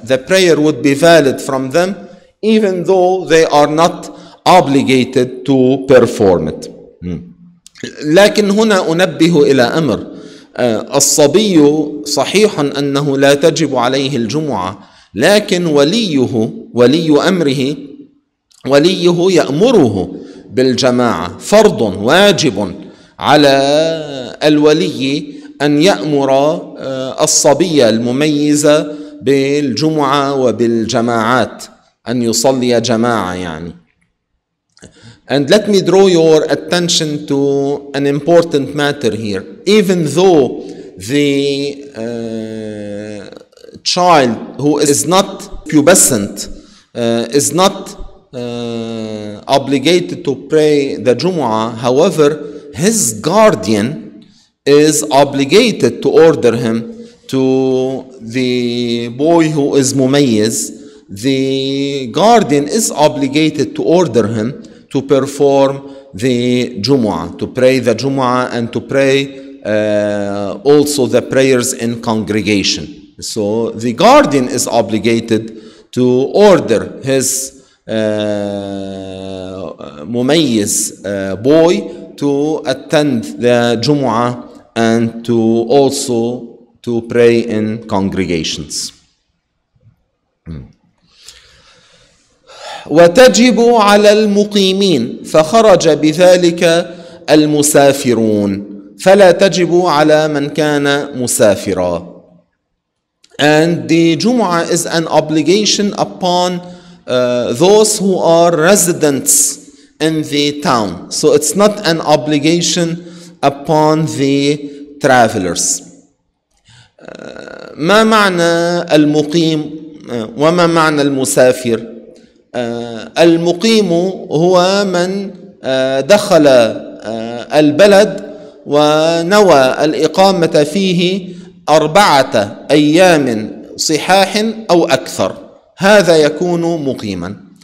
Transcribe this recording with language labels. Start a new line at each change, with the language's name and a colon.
English: The prayer would be valid from them, even though they are not obligated to perform it.
Arabic: لكن هنا أنبه إلى أمر. الصبي صحيح أنه لا تجب عليه الجمعة، لكن وليه، ولي أمره، وليه يأمره بالجماعة، فرض واجب على الولي أن يأمر الصبي المميز بالجمعة وبالجماعات، أن يصلي جماعة يعني.
English: And let me draw your attention to an important matter here. Even though the child who is not pubescent is not obligated to pray the Jumu'ah, however, his guardian is obligated to order him to the boy who is mumayyiz. The guardian is obligated to order him to perform the Jumu'ah, to pray the Jumu'ah, and to pray also the prayers in congregation. So the guardian is obligated to order his mumayyiz boy to attend the Jumu'ah and to also to pray in congregations.
Arabic: وتجب على المقيمين فخرج بذلك المسافرون فلا تجب على من كان مسافرا.
English: And the Jumu'ah is an obligation upon those who are residents in the town. So it's not an obligation upon the travelers.
Arabic: ما معنى المقيم وما معنى المسافر؟ المقيم هو من دخل البلد ونوى الإقامة فيه 4 أيام صحاح أو أكثر، هذا يكون مقيما.